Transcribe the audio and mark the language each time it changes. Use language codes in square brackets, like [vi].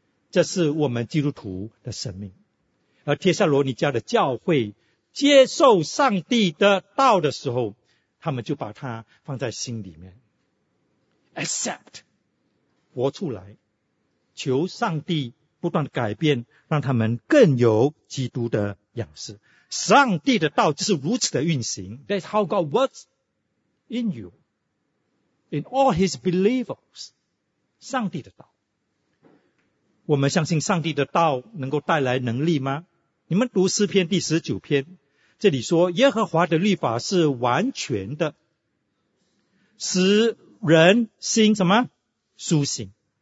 [zh] 这是我们基督徒的生命。而帖撒罗尼迦的教会接受上帝的道的时候，他们就把它放在心里面， accept 活出来，求上帝不断的改变，让他们更有基督的样式。上帝的道就是如此的运行， [en] That's how God works in you, in all his believers. [zh] 上帝的道，我们相信上帝的道能够带来能力吗？你们读诗篇第十九篇，这里说耶和华的律法是完全的，使人心什么？苏醒。